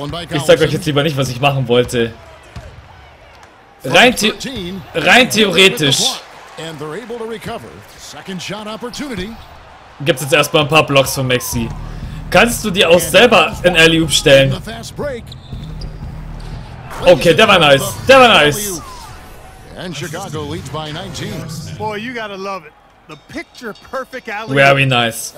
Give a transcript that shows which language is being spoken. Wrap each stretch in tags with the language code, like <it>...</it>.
<de>Ich sag euch jetzt lieber nicht, was ich machen wollte. Rein theoretisch.</de> <en>And they're able to recover. Second shot opportunity.</en> <de>Gibt's jetzt erstmal ein paar Blocks von Maxi. Kannst du dir auch selber einen Alley-Oop stellen? Okay, der war nice. Der war nice.</de> <en>And Chicago leads by 19. Boy, you gotta love it. The picture perfect alley. Very nice.</en>